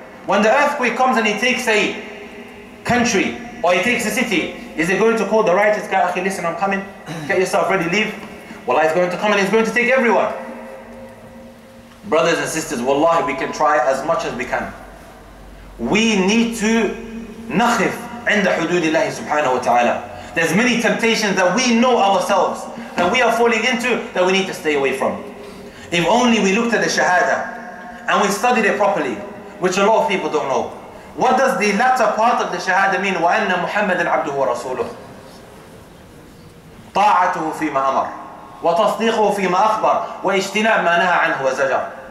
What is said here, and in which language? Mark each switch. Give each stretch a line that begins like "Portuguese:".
English: When the earthquake comes and it takes a country, or it takes a city, is it going to call the righteous guy, akhi, listen, I'm coming, get yourself ready, leave. Wallahi, it's going to come and it's going to take everyone. Brothers and sisters, wallahi, we can try as much as we can. We need to nakhif.
Arabic: عند حدود الله سبحانه وتعالى.
English: There's many temptations that we know ourselves that we are falling into that we need to stay away from. If only we looked at the shahada and we studied it properly, which a lot of people don't know. What does the latter part of the shahada mean?
Arabic: وَأَنَّ مُحَمَّدًا عَبْدُهُ وَرَسُولُهُ طَاعَتُهُ فِي مَا أَمَرُ وَتَصْدِيقُهُ فِي مَا أَخْبَرُ وَإِجْتِنَاب مَا نَهَى عَنْهُ وَزَجَرُ.